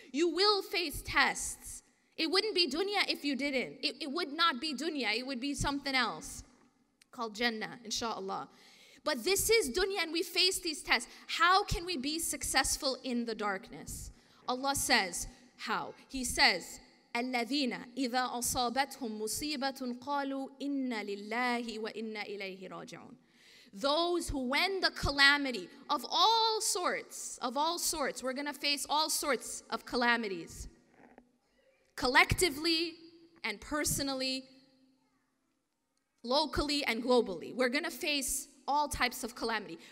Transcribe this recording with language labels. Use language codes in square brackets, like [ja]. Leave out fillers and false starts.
[en] You will face tests. It wouldn't be dunya if you didn't. It would not be dunya. It would be something else called Jannah, inshallah. But this is dunya and we face these tests. How can we be successful in the darkness? Allah says, how? He says, [ar] الَّذِينَ إِذَا أَصَابَتْهُمْ مُصِيبَةٌ قَالُوا إِنَّ لِلَّهِ وَإِنَّ إِلَيْهِ رَاجِعُونَ. [en] Those who, when the calamity of all sorts, we're going to face all sorts of calamities, collectively and personally, locally and globally, we're going to face all types of calamity.